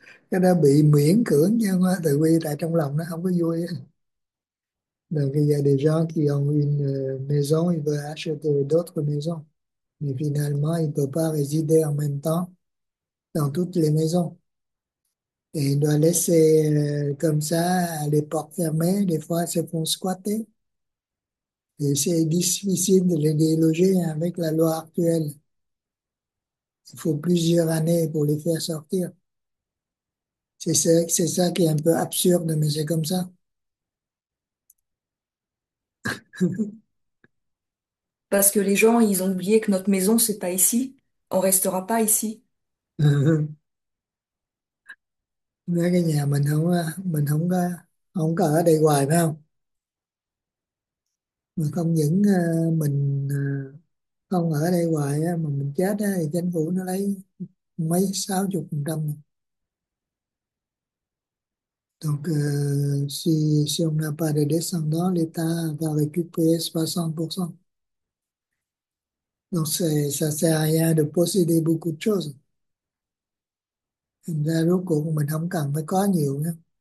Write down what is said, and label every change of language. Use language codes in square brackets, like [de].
[vi] Cái đó bị miễn cưỡng nha, không tự vi tại trong lòng nó không có vui. Là cái gia đình [fr] gens qui ont une maison, ils veulent acheter d'autres maisons. Mais finalement, ils ne peuvent pas résider en même temps dans toutes les maisons. Et ils doivent laisser comme ça les portes fermées. Des fois, ils se font squatter. Et c'est difficile de les déloger avec la loi actuelle. Il faut plusieurs années pour les faire sortir. C'est ça qui est un peu absurde, mais c'est comme ça. Parce que les gens, ils ont oublié que notre maison, c'est pas ici. On restera pas ici. [vi] Nói cái nhà mình không có ở đây hoài phải không? Mà không những mình không ở đây hoài mà mình chết thì chính phủ nó lấy mấy 60%. [fr] Donc, si on n'a pas de descendants, l'État va récupérer 60%. Donc, ça ne sert à rien de posséder beaucoup de choses. [vi] Thành ra, rốt cuộc mình không cần phải có nhiều nữa.